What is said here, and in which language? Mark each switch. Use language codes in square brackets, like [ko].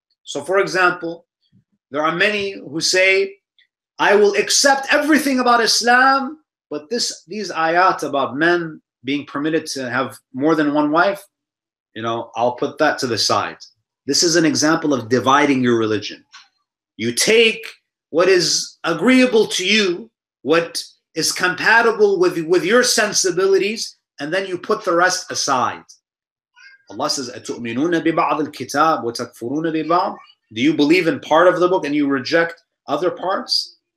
[en] So for example, there are many who say, I will accept everything about Islam, but these ayat about men being permitted to have more than one wife, you know, I'll put that to the side. This is an example of dividing your religion. You take what is agreeable to you, what is compatible with your sensibilities, and then you put the rest aside. Allah says, [ar] أَتُؤْمِنُونَ بِبَعْضِ الْكِتَابِ وَتَكْفُرُونَ بِبَعْضِ. [en] Do you believe in part of the book and you reject other parts?